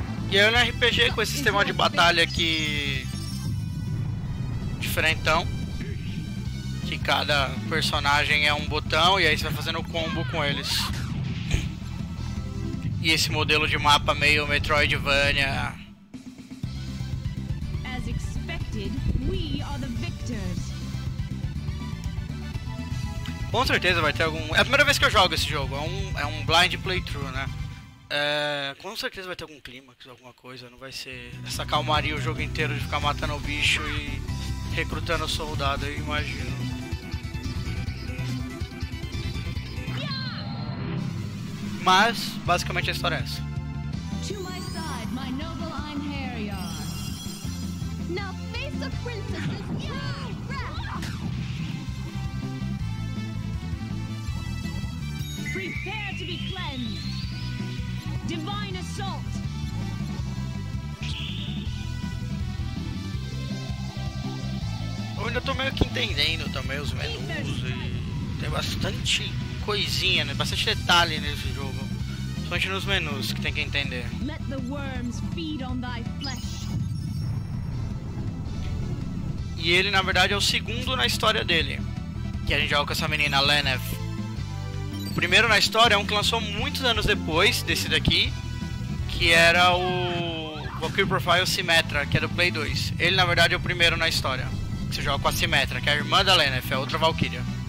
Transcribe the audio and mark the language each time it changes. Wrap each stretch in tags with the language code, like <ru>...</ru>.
<pt>E aí no RPG com esse sistema de batalha aqui diferentão. Que cada personagem é um botão e aí você vai fazendo combo com eles. E esse modelo de mapa meio Metroidvania.</pt> <en>As expected, we are the victors.</en> <pt>Com certeza vai ter algum... É a primeira vez que eu jogo esse jogo, é um blind playthrough, né? Com certeza vai ter algum clímax, alguma coisa. Não vai ser essa calmaria o jogo inteiro de ficar matando o bicho e recrutando soldado, eu imagino. Mas, basicamente, a história é essa.</pt> <en>To my side, my noble Einherjar. Now face the princess's wrath. Prepare to be cleansed. Divine assault. Oh,</en> <pt>ainda tô meio que entendendo também os menus e tem bastante coisinha, né? Bastante detalhe nesse jogo. Principalmente nos menus que tem que entender.</pt> <en>Let the worms feed on thy flesh.</en> <pt>E ele, na verdade, é o segundo na história dele. Que a gente joga com essa menina, Lenneth. O primeiro na história é um que lançou muitos anos depois desse daqui. Que era o Valkyrie Profile Symmetra, que é do Play 2. Ele, na verdade, é o primeiro na história. Que você joga com a Symmetra, que é a irmã da Lenneth, é outra Valkyria.</pt>